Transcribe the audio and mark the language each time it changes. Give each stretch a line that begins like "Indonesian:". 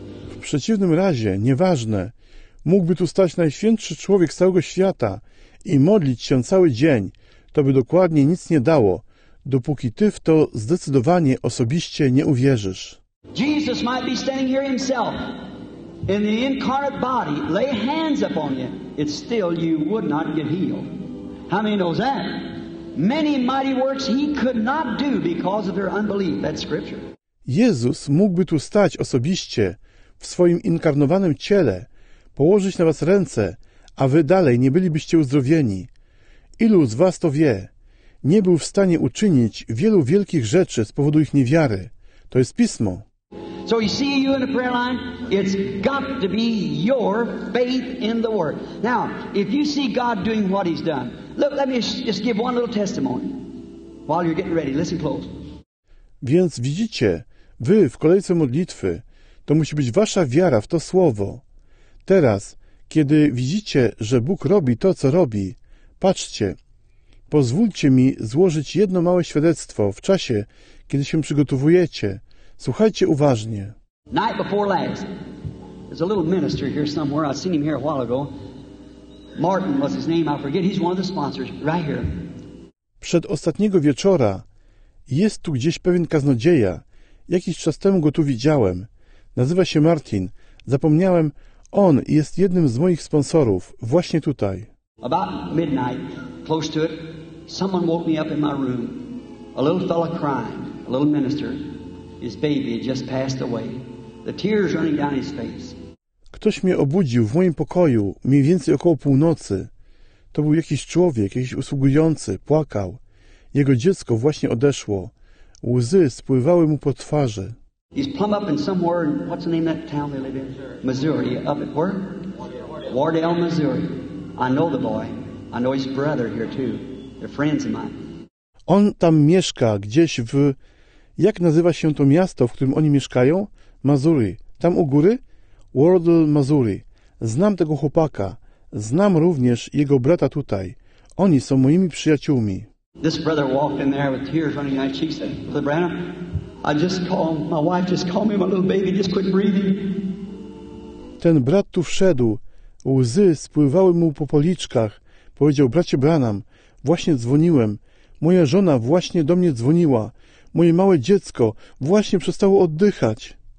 Polish: W przeciwnym razie, nieważne, mógłby tu stać najświętszy człowiek z całego świata i modlić się cały dzień, to by dokładnie nic nie dało, dopóki ty w to zdecydowanie osobiście nie uwierzysz.
English: Jesus might be standing here himself in the incarnate body, lay hands upon you, it still you would not get healed. How many knows that? Many mighty works he could not do because of their unbelief. That's scripture.
Polish: Jezus mógłby tu stać osobiście w swoim inkarnowanym ciele, położyć na was ręce, a wy dalej nie bylibyście uzdrowieni. Ilu z was to wie? Nie był w stanie uczynić wielu wielkich rzeczy z powodu ich niewiary. To jest Pismo.
English: So you see you in the prayer line, it's got to be your faith in the Word. Now, if you see God doing what he's done, look, let me just give one little testimony while you're getting ready. Listen close.
Polish: Więc widzicie, wy w kolejce modlitwy, to musi być wasza wiara w to słowo. Teraz, kiedy widzicie, że Bóg robi to, co robi, patrzcie. Pozwólcie mi złożyć jedno małe świadectwo w czasie, kiedy się przygotowujecie. Słuchajcie uważnie.
English: Night before last, there's a little minister here somewhere. I seen him here a while ago. Martin was his name. I forget. He's one of the sponsors right here.
Polish: Przed ostatniego wieczora jest tu gdzieś pewien kaznodzieja. Jakiś czas temu go tu widziałem. Nazywa się Martin. Zapomniałem, on jest jednym z moich sponsorów właśnie tutaj.
English: About midnight, close to it, someone woke me up in my room. A little fella crying, a little minister. His baby had just passed away. The tears running down his face.
Polish: Ktoś mnie obudził w moim pokoju, mniej więcej około północy. To był jakiś człowiek, jakiś usługujący, płakał. Jego dziecko właśnie odeszło. Łzy spływały mu po twarzy.
English: He's plumb up in somewhere, what's the name of that town they live in? Missouri, up at where? Wardell, Missouri. I know the boy. I know his brother here too. They're friends of mine.
Polish: On tam mieszka, gdzieś w... Jak nazywa się to miasto, w którym oni mieszkają? Missouri. Tam u góry? Wardell, Missouri. Znam tego chłopaka. Znam również jego brata tutaj. Oni są moimi przyjaciółmi.
English: This brother walked in there with tears running down his cheeks. Brother Branham, I just called, my wife just called me, my little baby just quit breathing.
Polish: Ten brat tu wszedł. Łzy spływały mu po policzkach. Powiedział, bracie Branham, właśnie dzwoniłem. Moja żona właśnie do mnie dzwoniła. Moje małe dziecko właśnie przestało oddychać.